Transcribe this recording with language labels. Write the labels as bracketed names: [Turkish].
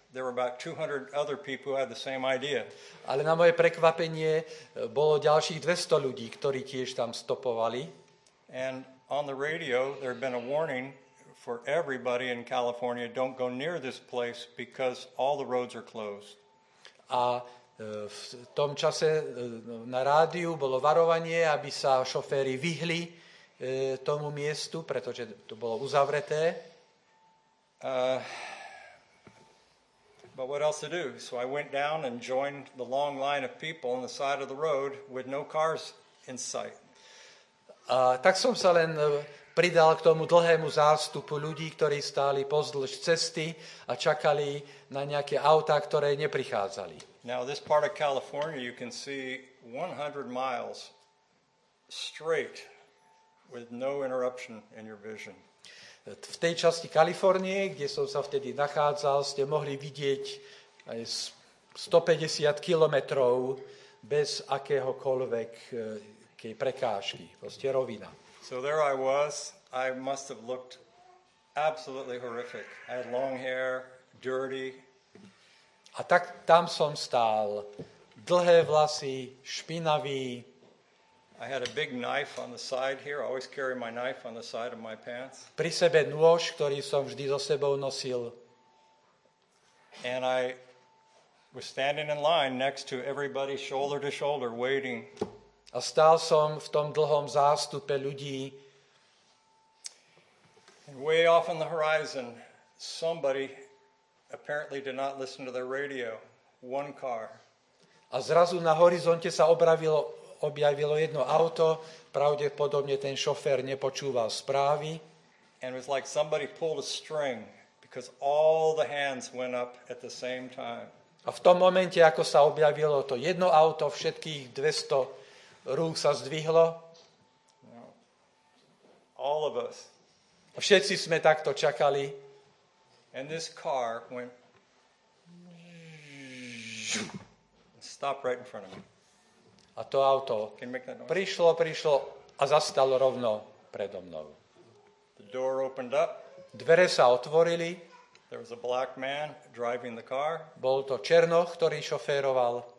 [Slovak] Ale na moje prekvapenie bolo ďalších 200 ľudí, ktorí tiež tam stopovali. [English] And on the radio there had been a warning for everybody in California, don't go near this place because all the roads are closed. [Slovak] A v tom čase na rádiu bolo varovanie, aby sa šoféri vyhli tomu miestu, pretože to bolo uzavreté. [English] But what else to do? So I went down and joined the long line of people on the side of the road with no cars in sight. [Slovak] A tak som sa len pridal k tomu dlhému zástupu ľudí, ktorí stáli pozdĺž cesty a čakali na nejaké autá, ktoré neprichádzali. [English] Now this part of California you can see 100 miles straight with no interruption in your vision. [Slovak] V tej časti Kalifornie, kde som sa vtedy nachádzal, ste mohli vidieť aj 150 kilometrov bez akéhokoľvek kej prekážky, proste rovina. [English] So there I was, I must have looked absolutely horrific. I had long hair, dirty. [Slovak] A tak tam som stál, dlhé vlasy, špinavý. [English] I had a big knife on the side here. I always carry my knife on the side of my pants. [Slovak] Pri sebe nôž, ktorý som vždy so sebou nosil. [English] And I was standing in line next to everybody shoulder to shoulder waiting. [Slovak] A stál som v tom dlhom zástupe ľudí. [English] And way off on the horizon, somebody apparently did not listen to their radio. One car. [Slovak] A zrazu na horizonte sa objavilo jedno auto. Pravdepodobne ten šofér nepočúval správy. [English] And it was like somebody pulled a string because all the hands went up at the same time. [Slovak] A v tom momente, ako sa objavilo to jedno auto, všetkých 200 rúk sa zdvihlo. [English] All of us. [Slovak] A všetci sme takto čakali. [English] And this car went stop right in front of me. [Slovak] A to auto prišlo a zastalo rovno predo mnou. [English] The door opened up. [Slovak] Dvere sa otvorili. [English] There was a black man driving the car. [Slovak] Bol to černoch, ktorý šoféroval.